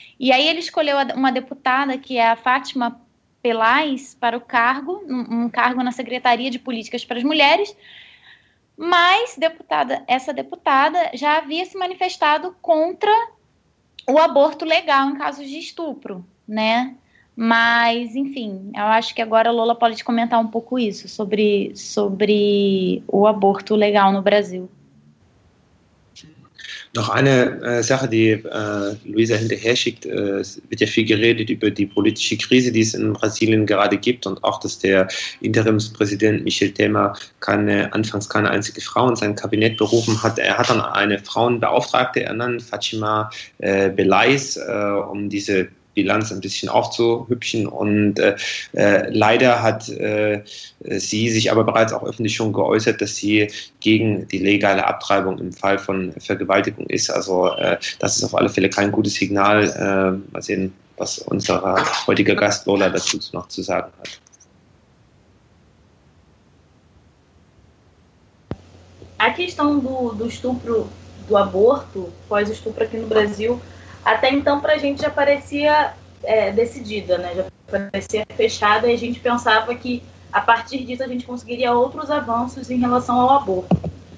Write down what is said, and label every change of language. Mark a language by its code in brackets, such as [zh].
[pt] E aí ele escolheu uma deputada, que é a Fátima Pelaz, para o cargo, um cargo na Secretaria de Políticas para as Mulheres, mas essa deputada já havia se manifestado contra o aborto legal em casos de estupro, né? Mas, enfim, eu acho que agora a Lola pode comentar um pouco isso, sobre o aborto legal no Brasil. [de] Noch eine Sache, die Luisa hinterher schickt, es wird ja viel geredet über die politische Krise, die es in Brasilien gerade gibt und auch, dass der Interimspräsident Michel Temer anfangs keine einzige Frau in sein Kabinett berufen hat. Er hat dann eine Frauenbeauftragte ernannt, Fátima Beláez, um diese Bilanz ein bisschen aufzuhübschen und leider hat sie sich aber bereits auch öffentlich schon geäußert, dass sie gegen die legale Abtreibung im Fall von Vergewaltigung ist. Also das ist auf alle Fälle kein gutes Signal. Mal sehen, was unser heutiger Gast Lola dazu noch zu sagen hat. [pt] A questão do estupro, do aborto, pós-estupro aqui no Brasil, até então para a gente já parecia decidida, né? Já parecia fechada e a gente pensava que a partir disso a gente conseguiria outros avanços em relação ao aborto.